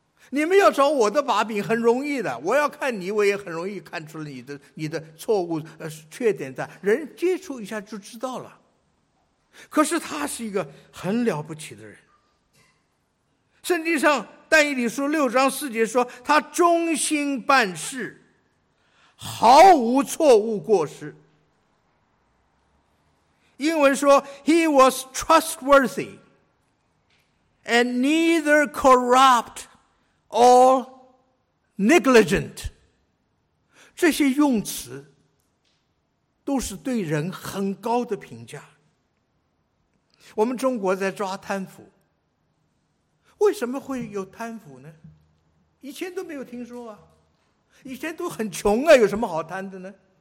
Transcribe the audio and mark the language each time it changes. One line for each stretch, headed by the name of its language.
Chinese: 你们要找我的把柄很容易的，我要看你，我也很容易看出了你的错误缺点的，人接触一下就知道了。可是他是一个很了不起的人。圣经上但以理书六章四节说他忠心办事，毫无错误过失。英文说
English: He was trustworthy and neither corrupt or negligent。
Chinese: 这些用词都是对人很高的评价。我们中国在抓贪腐，为什么会有贪腐呢？以前都没有听说啊，以前都很穷啊，有什么好贪的呢？